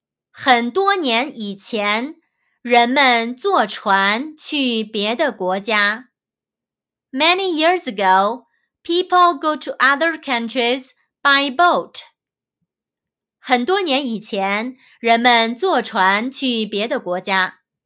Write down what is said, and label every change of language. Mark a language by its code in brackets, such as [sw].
[zh] 很多年以前人们坐船去别的国家。 [en] Many years ago, people go to other countries by boat. [zh] 很多年以前,人们坐船去别的国家。